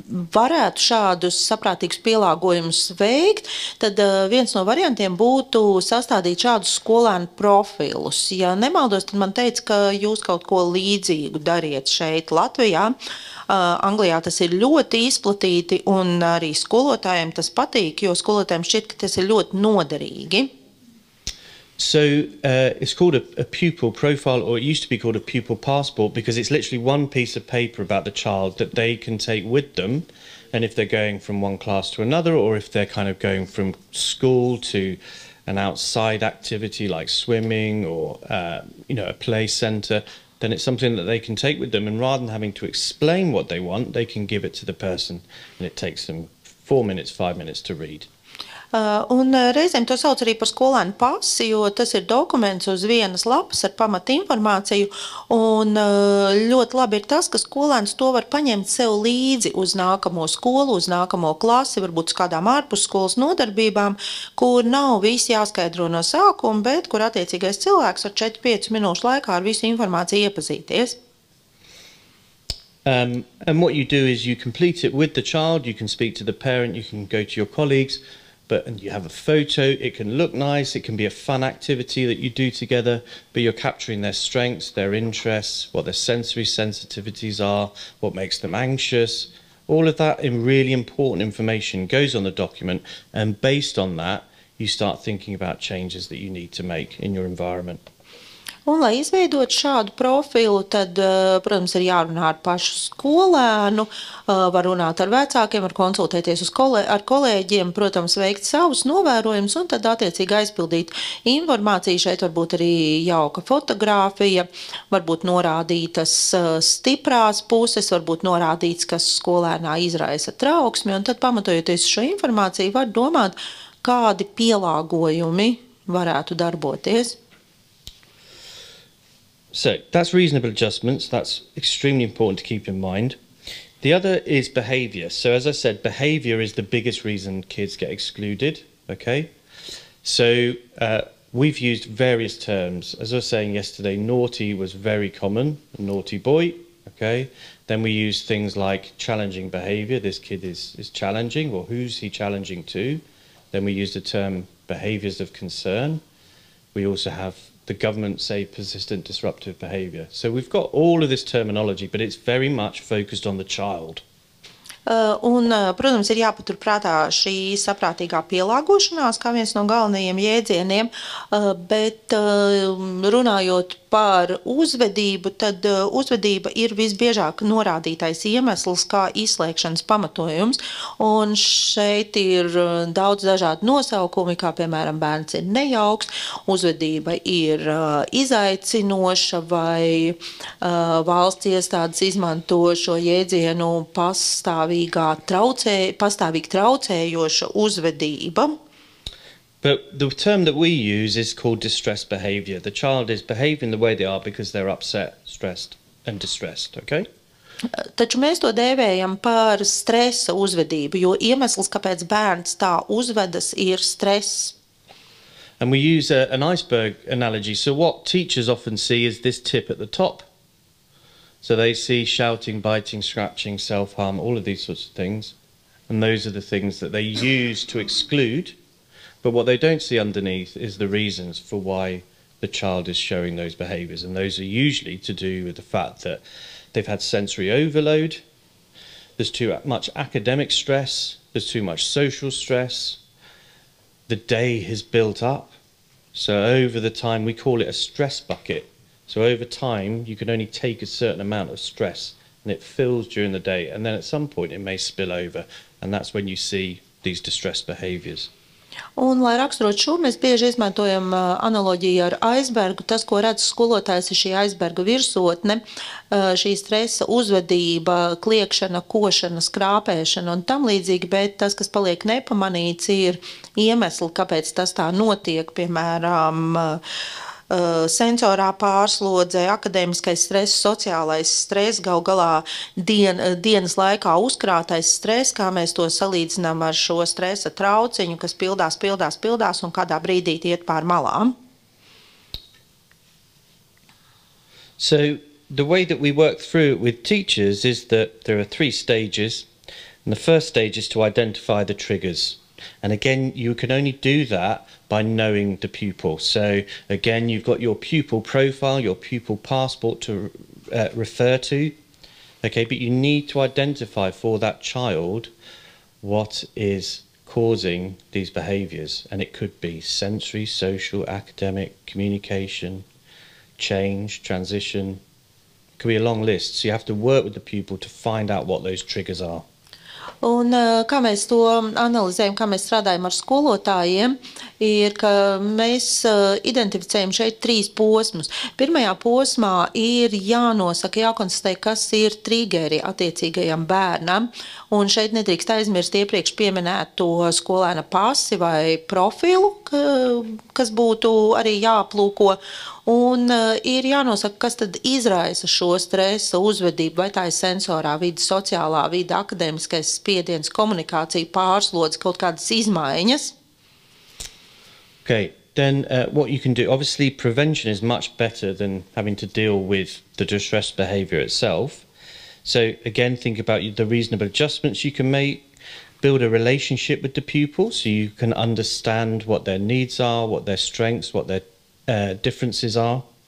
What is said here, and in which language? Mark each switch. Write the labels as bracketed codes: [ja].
[lv] Varētu šādus saprātīgus pielāgojumus veikt, tad viens no variantiem būtu sastādīt šādus skolēnu profilus. Ja nemaldos, tad man teica, ka jūs kaut ko līdzīgu dariet šeit Latvijā. Anglijā tas ir ļoti izplatīti un arī skolotājiem tas patīk, jo skolotājiem šķiet, ka tas ir ļoti noderīgi. [en] So it's called a pupil profile, or it used to be called a pupil passport, because it's literally one piece of paper about the child that they can take with them. And if they're going from one class to another, or if they're kind of going from school to an outside activity like swimming or you know, a play center, then it's something that they can take with them. And rather than having to explain what they want, they can give it to the person, and it takes them 4 minutes, 5 minutes to read. [lv] Un reizēm to sauc arī par skolēnu pasi, jo tas ir dokuments uz vienas lapas ar pamat informāciju, un ļoti labi ir tas, ka skolēns to var paņemt sev līdzi uz nākamo skolu, uz nākamo klasi, varbūt uz kādām ārpus skolas nodarbībām, kur nav visi jāskaidro no sākuma, bet kur attiecīgais cilvēks ar 4-5 minūšu laikā ar visu informāciju iepazīties. [en] And what you do is you complete it with the child, you can speak to the parent, you can go to your colleagues, but and you have a photo, it can look nice, it can be a fun activity that you do together, but you're capturing their strengths, their interests, what their sensory sensitivities are, what makes them anxious. All of that in really important information goes on the document, and based on that, you start thinking about changes that you need to make in your environment. [lv] Un, lai izveidot šādu profilu, tad, protams, ir jārunā ar pašu skolēnu, var runāt ar vecākiem, var konsultēties ar kolēģiem, protams, veikt savus novērojumus un tad attiecīgi aizpildīt informāciju. Šeit varbūt arī jauka fotogrāfija, varbūt norādītas stiprās puses, varbūt norādīts, kas skolēnā izraisa trauksmi, un tad, pamatojoties šo informāciju, var domāt, kādi pielāgojumi varētu darboties. [en] So that's reasonable adjustments. That's extremely important to keep in mind. The other is behavior. So as I said, behavior is the biggest reason kids get excluded. Okay. So We've used various terms. As I was saying yesterday, naughty was very common, naughty boy, okay? Then we use things like challenging behavior. This kid is challenging, or who's he challenging to? Then we use the term behaviors of concern. We also have the government say persistent disruptive behavior. So we've got all of this terminology, but it's very much focused on the child. [lv] Un, protams, ir jāpatur prātā šī saprātīgā pielāgošanās kā viens no galvenajiem jēdzieniem, bet runājot par uzvedību, tad uzvedība ir visbiežāk norādītais iemesls kā izslēgšanas pamatojums, un šeit ir daudz dažādu nosaukumi, kā piemēram bērns ir nejauks, uzvedība ir izaicinoša vai valsts iestādes izmanto šo jēdzienu pastāvīgi traucējoša uzvedība. [en] But the term that we use is called distress behavior. The child is behaving the way they are because they're upset, stressed, and distressed, okay? [lv] Taču mēs to dēvējam par stresa uzvedību, jo iemesls, kāpēc bērns tā uzvedas, ir stress. [en] And we use an iceberg analogy. So what teachers often see is this tip at the top. So they see shouting, biting, scratching, self-harm, all of these sorts of things. And those are the things that they use to exclude. But what they don't see underneath is the reasons for why the child is showing those behaviors. And those are usually to do with the fact that they've had sensory overload, there's too much academic stress, there's too much social stress, the day has built up. So over the time, we call it a stress bucket. So over time, you can only take a certain amount of stress and it fills during the day. And then at some point, it may spill over. And that's when you see these distress behaviors. [lv] Un, lai raksturot šo, mēs bieži izmantojam analoģiju ar aizbergu. Tas, ko redz skolotājs, ir šī aizberga virsotne, šī stresa uzvedība, kliekšana, košana, skrāpēšana un tam līdzīgi, bet tas, kas paliek nepamanīts, ir iemesli, kāpēc tas tā notiek, piemēram, sensorā pārslodze, akadēmiskais stress, sociālais stress, gal galā dienas laikā uzkrātais stress, kā mēs to salīdzinām ar šo stresa trauciņu, kas pildās un kādā brīdī iet pār malām. [en] So, the way that we work through with teachers is that there are three stages. And the first stage is to identify the triggers. And again, you can only do that by knowing the pupil. So again, you've got your pupil profile, your pupil passport to refer to. Okay, but you need to identify for that child what is causing these behaviors. And it could be sensory, social, academic, communication, change, transition. It could be a long list. So you have to work with the pupil to find out what those triggers are. [lv] Un kā mēs to analizējam, kā mēs strādājam ar skolotājiem, ir, ka mēs identificējam šeit trīs posmus. Pirmajā posmā ir jānosaka, jākonstatē, kas ir trigeri attiecīgajam bērnam. Un šeit nedrīkst aizmirst iepriekš pieminēt to skolēna pasi vai profilu, kas būtu arī jāaplūko. Un ir jānosaka, kas tad izraisa šo stresa uzvedību, vai tā ir sensorā vide, sociālā vide, akadēmiskais spiediens, komunikācija, pārslodze, kaut kādas izmaiņas. [en] Okay, then what you can do, obviously prevention is much better than having to deal with the distress behavior itself. So again, think about the reasonable adjustments you can make. Build a relationship with the pupil so you can understand what their needs are, what their strengths, what their differences are.